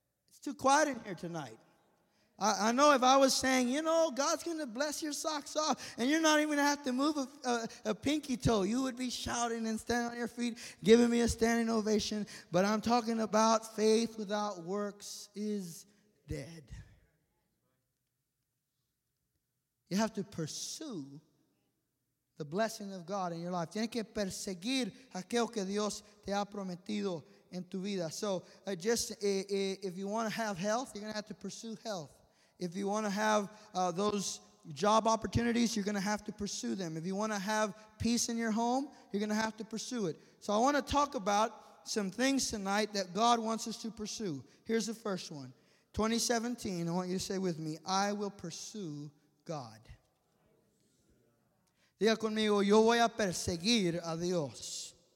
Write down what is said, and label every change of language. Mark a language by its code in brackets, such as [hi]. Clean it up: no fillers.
[en] It's too quiet in here tonight. I know if I was saying, you know, God's going to bless your socks off and you're not even going to have to move a pinky toe, you would be shouting and standing on your feet, giving me a standing ovation. But I'm talking about faith without works is dead. You have to pursue the blessing of God in your life. [es] Tienes que perseguir aquello que Dios te ha prometido en tu vida. [en] So, if you want to have health, you're going to have to pursue health. If you want to have those job opportunities, you're going to have to pursue them. If you want to have peace in your home, you're going to have to pursue it. So, I want to talk about some things tonight that God wants us to pursue. Here's the first one. 2017, I want you to say with me, I will pursue God. [es] Diga conmigo, yo voy a perseguir a Dios.